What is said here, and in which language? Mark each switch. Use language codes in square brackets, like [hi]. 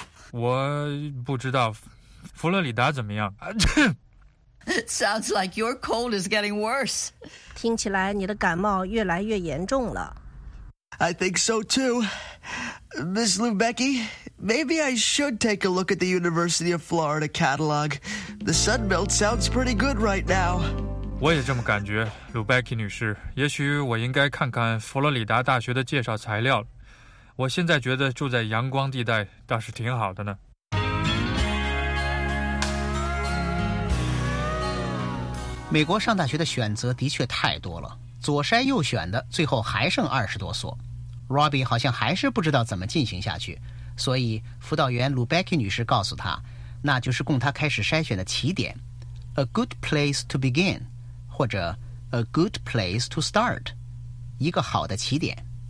[zh] 我不知道佛罗里达怎么样。 [en] Sounds like your cold is getting worse. [zh] 听起来你的感冒越来越严重了。 [en] I think so too. Miss Lubecki, maybe I should take a look at the University of Florida catalog. The Sun Belt sounds pretty good right now. [zh] 我也这么感觉 ,Lubecki 女士。也许我应该看看佛罗里达大学的介绍材料。我现在觉得住在阳光地带倒是挺好的呢。美国上大学的选择的确太多了。左筛右选的最后还剩20多所 Robbie 好像还是不知道怎么进行下去，所以辅导员 Lubecki 女士告诉他，那就是供他开始筛选的起点， [en] A good place to begin， [zh] 或者 [en] A good place to start， [zh] 一个好的起点。